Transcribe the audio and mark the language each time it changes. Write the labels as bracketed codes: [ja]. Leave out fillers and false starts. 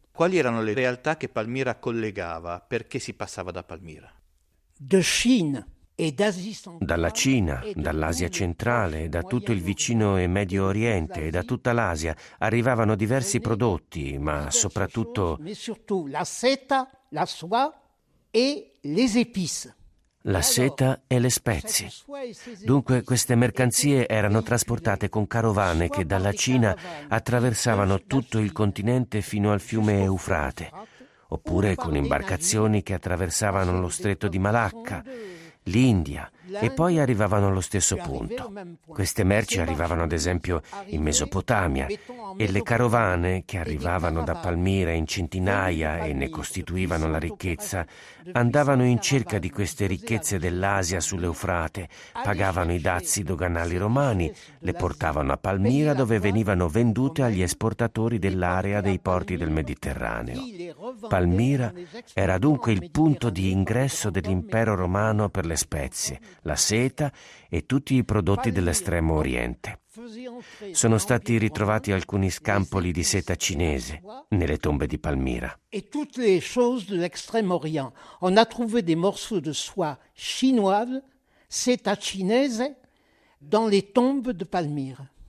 [it] Quali erano le realtà che Palmira collegava? Perché si passava da Palmira? Dalla Cina, dall'Asia centrale, da tutto il vicino e Medio Oriente e da tutta l'Asia arrivavano diversi prodotti, ma soprattutto la seta, [fr] la soie e le épices. [it] La seta e le spezie. Dunque queste mercanzie erano trasportate con carovane che dalla Cina attraversavano tutto il continente fino al fiume Eufrate, oppure con imbarcazioni che attraversavano lo stretto di Malacca, l'India, e poi arrivavano allo stesso punto. Queste merci arrivavano ad esempio in Mesopotamia e le carovane che arrivavano da Palmira in centinaia e ne costituivano la ricchezza andavano in cerca di queste ricchezze dell'Asia sull'Eufrate, pagavano i dazi doganali romani, le portavano a Palmira dove venivano vendute agli esportatori dell'area dei porti del Mediterraneo. Palmira era dunque il punto di ingresso dell'impero romano per le spezie, la seta e tutti i prodotti dell'estremo oriente. Sono stati ritrovati alcuni scampoli di seta cinese nelle tombe di Palmira. E tutte le cose dell'estremo oriente. [fr] On a trouvé des morceaux de soie chinoise, [it] seta cinese, [fr] dans les tombes de Palmira.